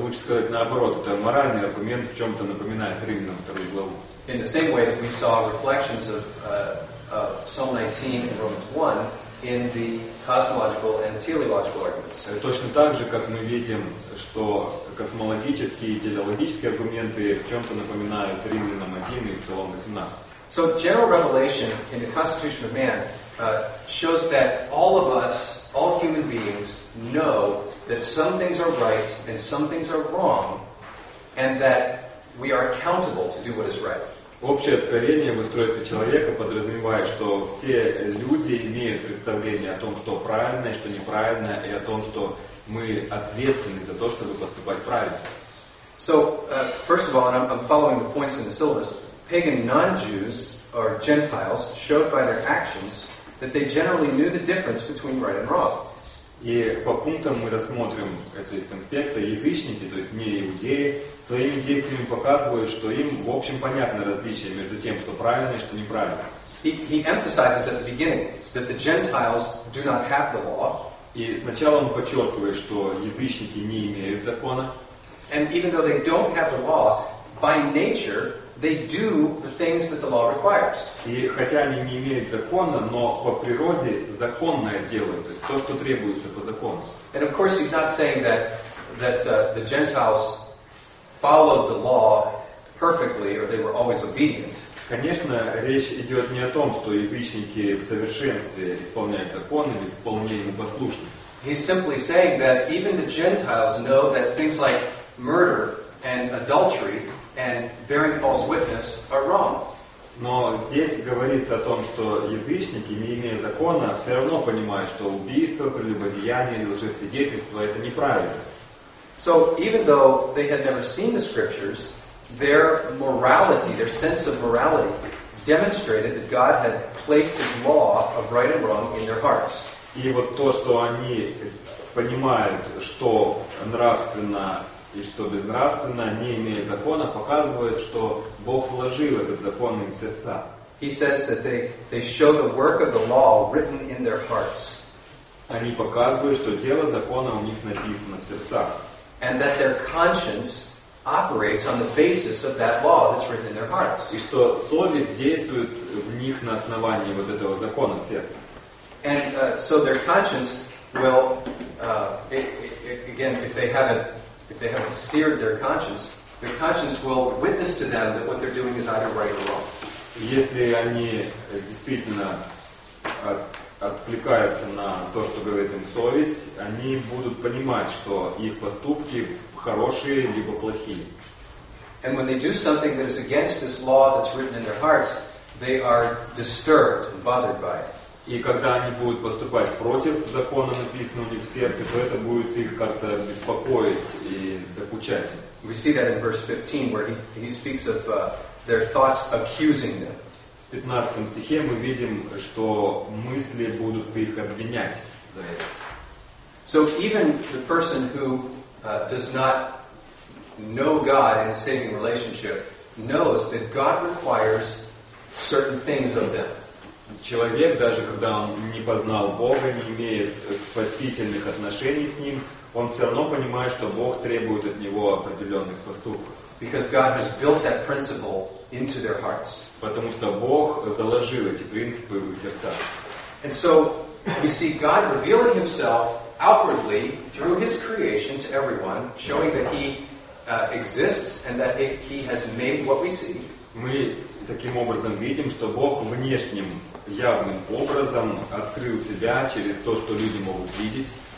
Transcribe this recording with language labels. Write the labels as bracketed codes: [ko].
[ru] Лучше сказать наоборот, это моральный аргумент в чем-то напоминает Римлянам 2 главу. [en] In the same way that we saw reflections of Psalm 19 in Romans 1 in the cosmological and teleological arguments. [ru] Точно так же, как мы видим, что космологические и телеологические аргументы в чем-то напоминают Римлянам 1 и Псалом 18. [en] So general revelation in the constitution of man shows that all of us, all human beings, know that some things are right and some things are wrong, and that we are accountable to do what is right. [ru] Общее откровение в устройстве человека подразумевает, что все люди имеют представление о том, что правильно и что неправильно, и о том, что мы ответственны за то, чтобы поступать правильно. [en] So, first of all, and I'm following the points in the syllabus, pagan non-Jews or Gentiles showed by their actions that they generally knew the difference between right and wrong. [ru] И по пунктам мы рассмотрим это из конспекта. Язычники, то есть не иудеи, своими действиями показывают, что им в общем понятно различие между тем, что правильно и что неправильно. [en] He emphasizes at the beginning that the Gentiles do not have the law. [ru] И сначала он подчеркивает, что язычники не имеют закона. [en] And even though they don't have the law, by nature they do the things that the law requires. [ru] И хотя они не имеют закона, но по природе законное делают, то есть то, что требуется по закону. [en] And of course, he's not saying that the Gentiles followed the law perfectly or they were always obedient. [ru] Конечно, речь идет не о том, что язычники в совершенстве исполняют закон или вполне ему послушны. [en] He's simply saying that even the Gentiles know that things like murder and adultery and bearing false witness are wrong. [ru] Но здесь говорится о том, что язычники, не имея закона, все равно понимают, что убийство, прелюбодеяние, лжесвидетельство — это неправильно. [en] So even though they had never seen the scriptures, their morality, their sense of morality, demonstrated that God had placed His law of right and wrong in their hearts. [ru] И вот то, что они понимают, что нравственно и что безнравственно, не имея закона, показывает, что Бог вложил этот закон им в сердца. [en] He says that they show the work of the law written in their hearts. [ru] Они показывают, что дело закона у них написано в сердцах. [en] And that their conscience operates on the basis of that law that's written in their hearts. [ru] И что совесть действует в них на основании вот этого закона сердца. [en] And so their conscience will, again, if they haven't seared their conscience will witness to them that what they're doing is either right or wrong. [ru] Если они действительно откликаются на то, что говорит им совесть, они будут понимать, что их поступки хорошие либо плохие. [en] And when they do something that is against this law that's written in their hearts, they are disturbed and bothered by it. [ru] И когда они будут поступать против закона, написанного у них в сердце, то это будет их как-то беспокоить и докучать. [en] We see that in verse 15, where he speaks of their thoughts accusing them. [ru] В 15 стихе мы видим, что мысли будут их обвинять за это. [en] So even the person who does not know God in a saving relationship knows that God requires certain things of them. [ru] Человек, даже когда он не познал Бога, не имеет спасительных отношений с Ним, он все равно понимает, что Бог требует от него определенных поступков. [en] Because God has built that principle into their hearts. [ru] Потому что Бог заложил эти принципы в их сердца. [en] And so, we see God revealing Himself outwardly through His creation to everyone, showing that He exists and that it, he has made what we see. [ru] Мы таким образом видим, что Бог внешним явным образом открыл себя через то, что люди могут видеть.